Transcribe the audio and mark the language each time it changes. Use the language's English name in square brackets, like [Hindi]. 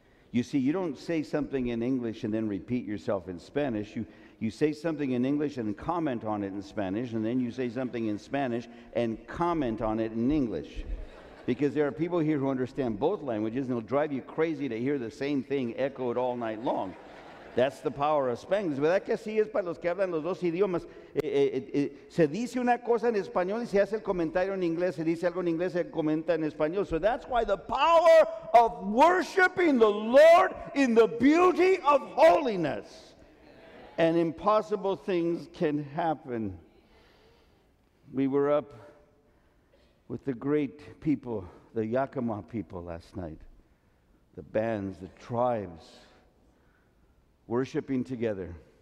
[English] You see, you don't say something in English and then repeat yourself in Spanish. You say something in English and comment on it in Spanish, and then you say something in Spanish and comment on it in English. Because there are people here who understand both languages, and it'll drive you crazy to hear the same thing echoed all night long. That's the power of Spanish. [Spanish] ¿Verdad que así es para los que hablan los dos idiomas? Se dice una cosa en español y se hace el comentario en inglés. Se dice algo en inglés y se comenta en español. [English] So that's why the power of worshiping the Lord in the beauty of holiness and impossible things can happen. We were up with the great people, the Yakima people last night, the bands, the tribes, worshiping together.